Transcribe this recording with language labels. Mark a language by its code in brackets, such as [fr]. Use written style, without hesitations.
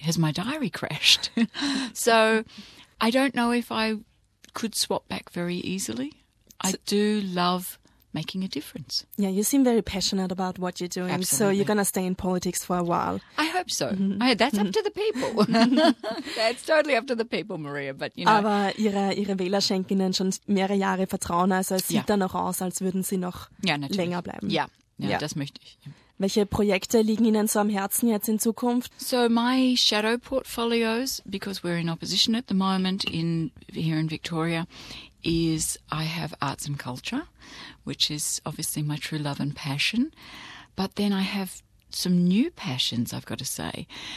[en] Has my diary crashed? So I don't know if I could swap back very easily. I do love making a difference. Yeah, you seem very passionate about what you're doing. Absolutely. So you're going to stay in politics for a while. I hope so. Mm-hmm. That's up to the people. That's totally up to the people, Maria. But you know. [de] Aber ihre Wähler schenken Ihnen schon mehrere Jahre Vertrauen. Also es sieht da noch aus, als würden Sie noch länger bleiben. Ja, das möchte ich. Welche Projekte liegen Ihnen so am Herzen jetzt in Zukunft? [en] So my shadow portfolios, because we're in opposition at the moment here in Victoria, is I have arts and culture, which is obviously my true love and passion. But then I have some new passions, I've got to say.